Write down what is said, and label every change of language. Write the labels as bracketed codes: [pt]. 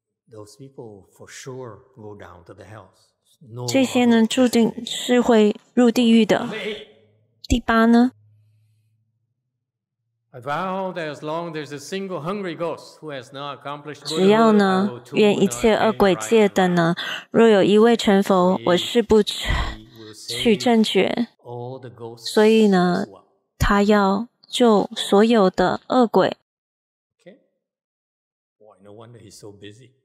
[en] Those people for sure go down to the hells. [zh] 这些呢，注定是会入地狱的。第八呢？ [en] I vow that as long as there's a single hungry ghost who has not accomplished good, [zh] 只要呢, 愿一切恶鬼戒的呢，若有一位成佛，我誓不去正觉。所以呢，他要救所有的恶鬼。 Okay. No wonder he's so busy.